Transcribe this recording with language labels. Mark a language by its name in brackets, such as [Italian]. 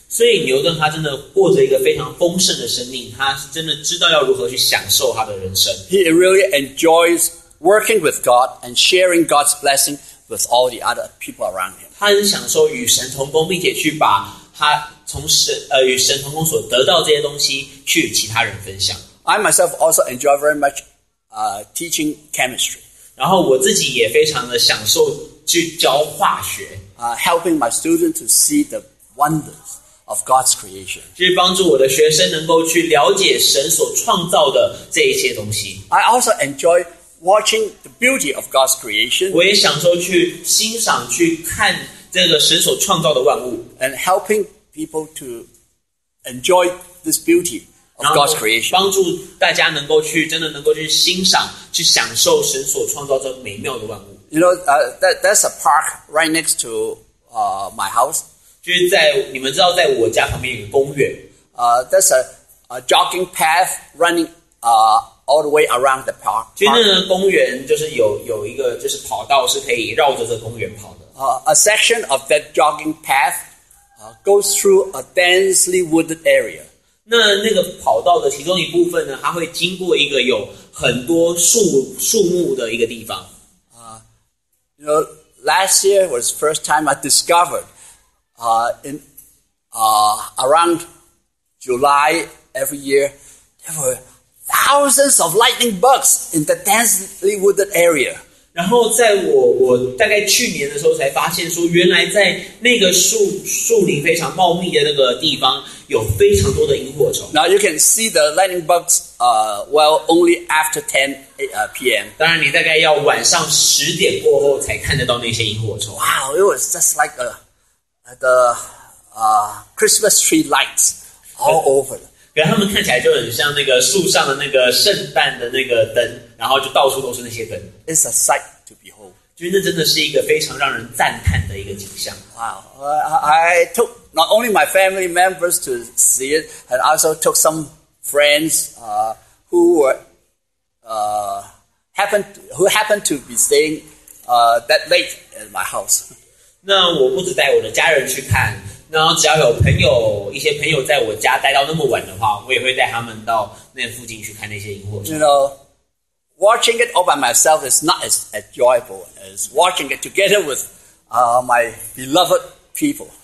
[Chinese] 所以牛顿他真的过着一个非常丰盛的生命，他真的知道要如何去享受他的人生。 [English] He really enjoys working with God and sharing God's blessing with all the other people around him. [Chinese] 他很享受与神同工，并且去把他从神与神同工所得到这些东西去与其他人分享。 [English] I myself also enjoy very much teaching chemistry. [Chinese] 然后我自己也非常的享受去教化学。 [English] Helping my students to see the wonders of God's creation. [Chinese] 去帮助我的学生能够去了解神所创造的这一些东西。 [English] I also enjoy watching the beauty of God's creation. [Chinese] 我也享受去欣赏去看这个神所创造的万物。 [English] And helping people to enjoy this beauty. Of God's creation. [Chinese] 帮助大家能够去真的能够去欣赏去享受神所创造这美妙的万物。 [English] You know, that's a park right next to my house. [Chinese] 就是在你们知道在我家旁边有个公园。 [English] That's a jogging path running all the way around the park. [Chinese] 就那个公园就是有一个就是跑道是可以绕着这公园跑的。 [English] A section of that jogging path goes through a densely wooded area. [Chinese] 那个跑道的其中一部分呢，它会经过一个有很多树木的一个地方。 [English] Last year was the first time I discovered, around July every year, there were thousands of lightning bugs in the densely wooded area. [Chinese] 然后在我大概去年的时候才发现说，原来在那个树林非常茂密的那个地方。 [English] Now you can see the lightning bugs only after 10 p.m. [Chinese] 当然你大概要晚上十点过后才看得到那些萤火虫。 [English] Wow, it was just like Christmas tree lights all over. [Chinese] 可是他们看起来就很像那个树上的那个圣诞的那个灯，然后就到处都是那些灯。 [English] It's a sight to behold. [Chinese] 就那真的是一个非常让人赞叹的一个景象。 [English] Wow, I took. Not only my family members to see it, and also took some friends who happened to be staying that late at my house. [Chinese] 那我不只带我的家人去看，那只要有朋友，一些朋友在我家待到那么晚的话，我也会带他们到那附近去看那些萤火虫。 [English] You know, watching it all by myself is not as enjoyable as watching it together with my beloved people.